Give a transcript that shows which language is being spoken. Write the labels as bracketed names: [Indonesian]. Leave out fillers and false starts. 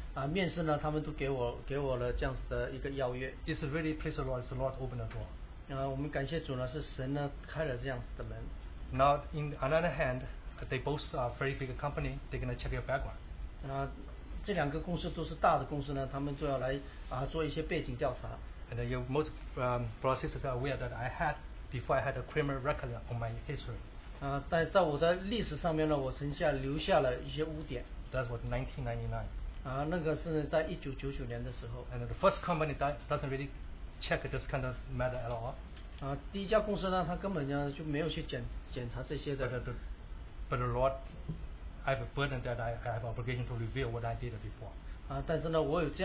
[Chinese] 结果我去参加了这两个公司的第二轮的面试呢，他们都给我了这样子的一个邀约。 [English] It's really praise the Lord. The Lord opened the door. [Chinese] 我们感谢主呢，是神呢开了这样子的门。 [English] Now, in another hand, they both are very big company. They're gonna check your background. [Chinese] 这两个公司都是大的公司呢，他们就要来做一些背景调查。 [English] And your most processes are aware that I had before I had a criminal record on my history. [Chinese] 在我的历史上面呢，我留下了一些污点。 [English] That was 1999. [Chinese] 那个是在1999年的时候。 [English] And the first company doesn't really check this kind of matter at all. [Chinese] 第一家公司呢，他根本就没有去检查这些的。 [English] But the Lord, I have a burden that I have obligation to reveal what I did before.